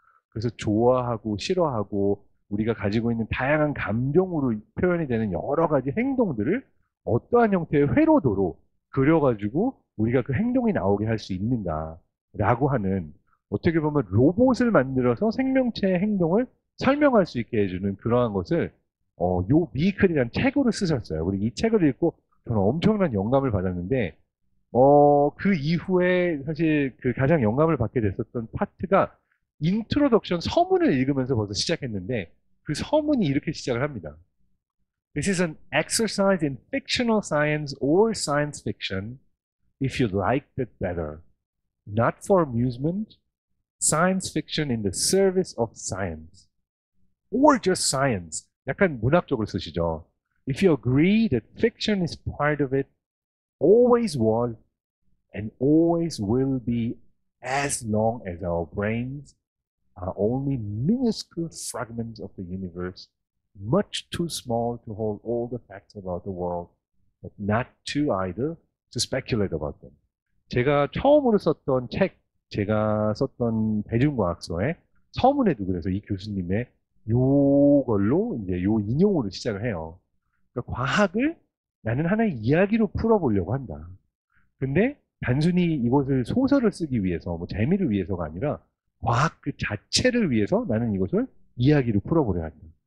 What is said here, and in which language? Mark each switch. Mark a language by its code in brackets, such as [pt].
[ko] 그래서 좋아하고 싫어하고 우리가 가지고 있는 다양한 감정으로 표현이 되는 여러 가지 행동들을 어떠한 형태의 회로도로 그려가지고 우리가 그 행동이 나오게 할수 있는가라고 하는 어떻게 보면 로봇을 만들어서 생명체의 행동을 설명할 수 있게 해주는 그러한 것을 요 미이클이라는 책으로 쓰셨어요. 우리 이 책을 읽고 저는 엄청난 영감을 받았는데, 그 이후에 사실 그 가장 영감을 받게 됐었던 파트가 인트로덕션 서문을 읽으면서부터 시작했는데, 그 서문이 이렇게 시작을 합니다. [en] This is an exercise in fictional science or science fiction, if you liked it better. Not for amusement, science fiction in the service of science. Or just science. [ko] 약간 문학적으로 쓰시죠. [en] If you agree that fiction is part of it, always was and always will be as long as our brains are only minuscule fragments of the universe, much too small to hold all the facts about the world, but not too idle to speculate about them. [ko] 제가 처음으로 썼던 책, 제가 썼던 대중과학서의 서문에도 그래서 이 교수님의 요걸로 이제 요 인용으로 시작을 해요. 과학을 나는 하나의 이야기로 풀어보려고 한다. 근데 단순히 이것을 소설을 쓰기 위해서, 뭐 재미를 위해서가 아니라 과학 그 자체를 위해서 나는 이것을 이야기로 풀어보려 한다.